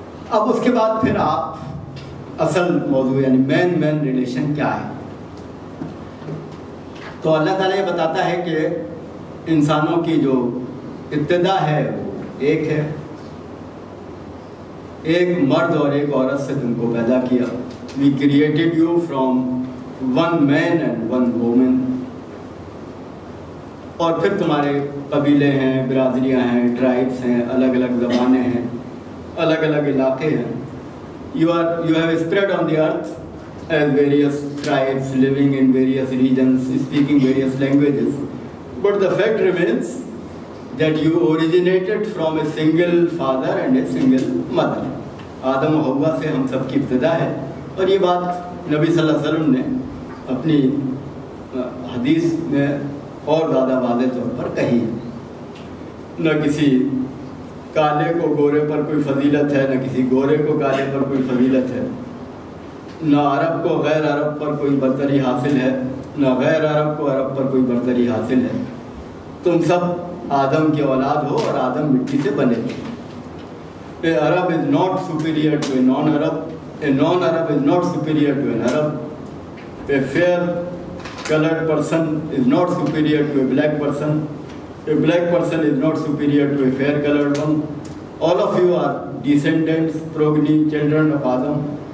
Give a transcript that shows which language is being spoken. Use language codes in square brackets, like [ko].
[ur] اب اس کے بعد پھر آپ اصل موضوع یعنی مین مین ریلیشن کیا ہے, تو اللہ تعالیٰ یہ بتاتا ہے کہ انسانوں کی جو ابتدا ہے وہ ایک ہے, ایک مرد اور ایک عورت سے تم کو پیدا کیا. [en] we created you from one man and one woman, [ur] اور پھر تمہارے قبیلے ہیں, برادریاں ہیں, ٹرائبس ہیں, الگ الگ زبانیں ہیں, الگ الگ علاقے ہیں. [en] You have spread on the earth as various tribes living in various regions speaking various languages, but the fact remains that you originated from a single father and a single mother. [ur] آدم و حوا سے ہم سب کی ابتدا ہے, اور یہ بات نبی صلی اللہ علیہ وسلم نے اپنی حدیث میں اور زیادہ واضح طور پر کہی ہے. نہ کسی کالے کو گورے پر کوئی فضیلت ہے, نہ کسی گورے کو کالے پر کوئی فضیلت ہے, نہ عرب کو غیر عرب پر کوئی برتری حاصل ہے, نہ غیر عرب کو عرب پر کوئی برتری حاصل ہے. تم سب آدم کی اولاد ہو اور آدم مٹی سے بنے, [en] A Arab is not superior to a non-Arab. A non-Arab is not superior to an Arab. A fair-colored person is not superior to a black person. A black person is not superior to a fair-colored one. All of you are descendants, progeny, children of Adam.